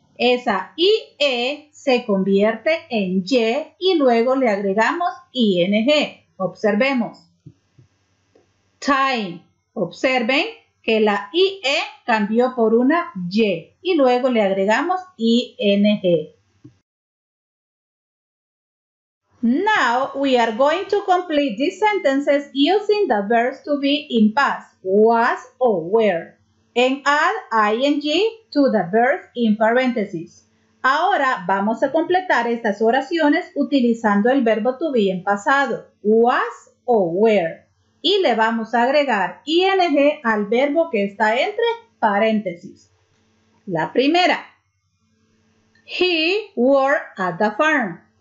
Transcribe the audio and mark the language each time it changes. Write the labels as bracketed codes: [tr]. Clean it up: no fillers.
[es] Esa IE se convierte en Y y luego le agregamos ING. Observemos. Time. Observen que la IE cambió por una Y y luego le agregamos ING. [en] Now, we are going to complete these sentences using the verbs to be in past, was or were, and add ing to the verbs in parentheses. [es] Ahora, vamos a completar estas oraciones utilizando el verbo to be en pasado, was or were, y le vamos a agregar ing al verbo que está entre paréntesis. La primera, [en] he worked at the farm.